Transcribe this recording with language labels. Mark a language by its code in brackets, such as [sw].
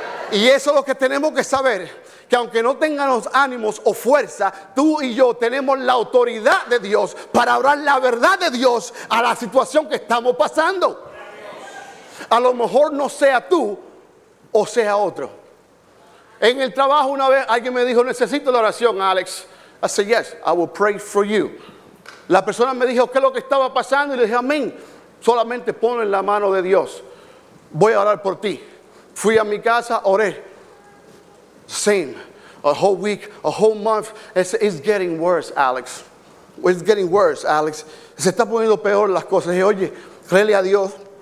[es] Y eso es lo que tenemos que saber, que aunque no tengamos ánimos o fuerza, tú y yo tenemos la autoridad de Dios para hablar la verdad de Dios a la situación que estamos pasando. A lo mejor no sea tú o sea otro. En el trabajo una vez alguien me dijo, necesito la oración, Alex. [en] I said, yes, I will pray for you. [es] La persona me dijo, ¿qué es lo que estaba pasando? Y le dije, amén. Solamente ponlo en la mano de Dios. Voy a orar por ti. Fui a mi casa, oré. [en] Same. A whole week, a whole month. It's getting worse, Alex. It's getting worse, Alex. [es] Se está poniendo peor las cosas. Y dije, oye, créele a Dios.